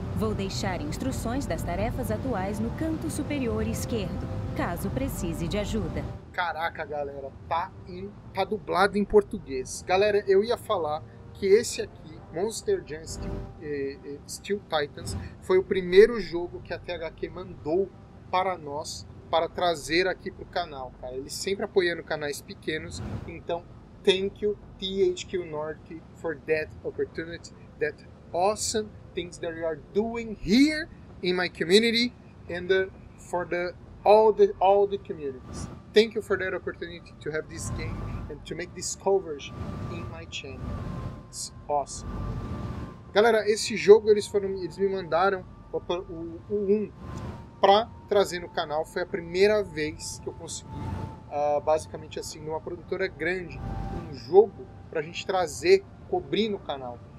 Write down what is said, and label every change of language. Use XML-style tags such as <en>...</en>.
<pt>Vou deixar instruções das tarefas atuais no canto superior esquerdo, caso precise de ajuda. Caraca, galera, tá dublado em português. Galera, eu ia falar que esse aqui, Monster Jam Steel Titans, foi o primeiro jogo que a THQ mandou para nós, para trazer aqui pro canal, cara. Eles sempre apoiando canais pequenos, então,</pt> <en>thank you, THQ Nordic, for that opportunity, that awesome things that you are doing here in my community, and for all the communities. Thank you for that opportunity to have this game and to make this coverage in my channel. It's awesome.</en> <pt>Galera, esse jogo eles me mandaram o 1 para trazer no canal. Foi a primeira vez que eu consegui, basicamente assim, numa produtora grande, um jogo para a gente trazer, cobrir no canal.</pt>